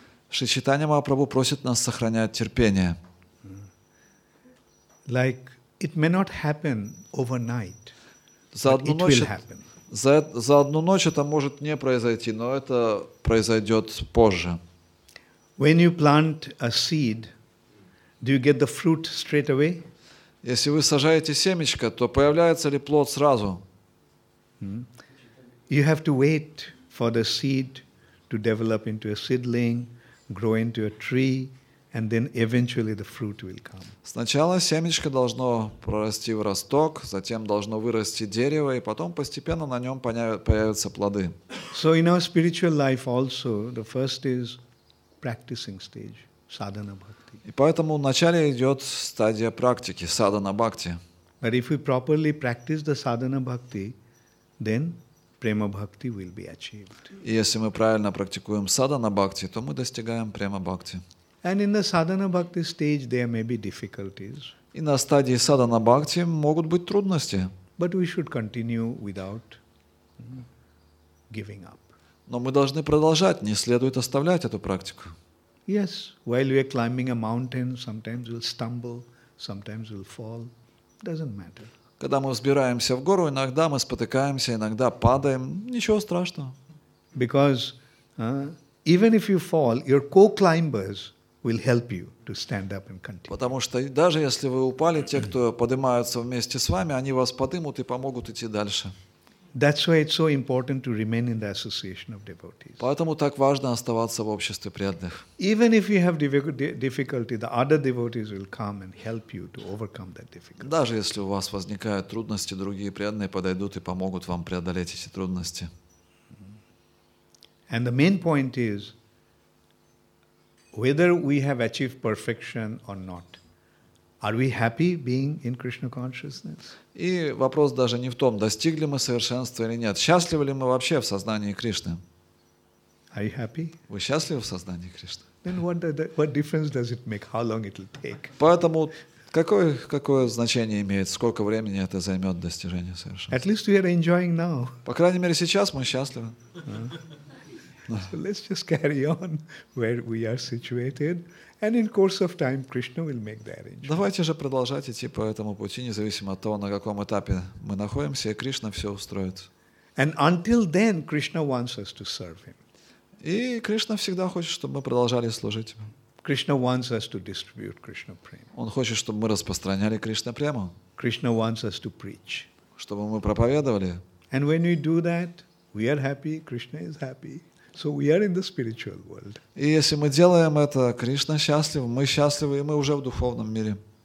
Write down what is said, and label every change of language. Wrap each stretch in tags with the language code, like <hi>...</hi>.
<ru>Шри Чайтанья Махапрабху просит нас сохранять терпение.</ru> <en>Like it may not happen overnight, but it will happen.</en> <ru>За одну ночь это может не произойти, но это произойдет позже.</ru> <en>When you plant a seed, do you get the fruit straight away?</en> <ru>Если вы сажаете семечко, то появляется ли плод сразу?</ru> <en>You have to wait for the seed to develop into a seedling, grow into a tree, and then eventually the fruit will come.</en> <ru>Сначала семечко должно прорасти в росток, затем должно вырасти дерево, и потом постепенно на нем появятся плоды.</ru> <en>So in our spiritual life also, the first is practicing stage, sadhana bhakti.</en> <ru>И поэтому в начале идет стадия практики, sadhana bhakti.</ru> <en>But if we properly practice the sadhana bhakti, then prema bhakti will be achieved.</en> <ru>И если мы правильно практикуем sadhana bhakti, то мы достигаем prema bhakti.</ru> <en>And in the sadhana bhakti stage, there may be difficulties.</en> <ru>И на стадии садхана бхакти могут быть трудности.</ru> <en>But we should continue without giving up.</en> <ru>Но мы должны продолжать, не следует оставлять эту практику.</ru> <en>Yes, while we are climbing a mountain, sometimes we'll stumble, sometimes we'll fall. Doesn't matter.</en> <ru>Когда мы взбираемся в гору, иногда мы спотыкаемся, иногда падаем. Ничего страшного.</ru> <en>Because even if you fall, your co-climbers will help you to stand up and continue.</en> <ru>Потому что даже если вы упали, те, кто поднимаются вместе с вами, они вас поднимут и помогут идти дальше.</ru> <en>That's why it's so important to remain in the association of devotees.</en> <ru>Поэтому так важно оставаться в обществе преданных.</ru> <en>Even if you have difficulty, the other devotees will come and help you to overcome that difficulty.</en> <ru>Даже если у вас возникают трудности, другие преданные подойдут и помогут вам преодолеть эти трудности.</ru> <en>And the main point is whether we have achieved perfection or not. Are we happy being in Krishna consciousness?</en> <ru>И вопрос даже не в том, достигли мы совершенства или нет. Счастливы ли мы вообще в сознании Кришны?</ru> <en>Are you happy?</en> <ru>Вы счастливы в сознании Кришны?</ru> <en>Then what difference does it make? How long it will take?</en> <ru>Поэтому какое значение имеет, сколько времени это займет достижение совершенства?</ru> <en>At least we are enjoying now.</en> <ru>По крайней мере сейчас мы счастливы.</ru> <en>So let's just carry on where we are situated. And in course of time, Krishna will make the arrangements.</en> <ru>Давайте же продолжать идти по этому пути, независимо от того, на каком этапе мы находимся, и Кришна все устроит.</ru> <en>And until then, Krishna wants us to serve Him.</en> <ru>И Кришна всегда хочет, чтобы мы продолжали служить Ему.</ru> <en>Krishna wants us to distribute Krishna prema.</en> <ru>Он хочет, чтобы мы распространяли Кришна прему.</ru> <en>Krishna wants us to preach.</en> <ru>Чтобы мы проповедовали.</ru> <en>And when we do that, we are happy. Krishna is happy. So we are in the spiritual world.</en> <ru>И если мы делаем это, Кришна счастлив, мы счастливы, и мы уже в духовном мире.</ru>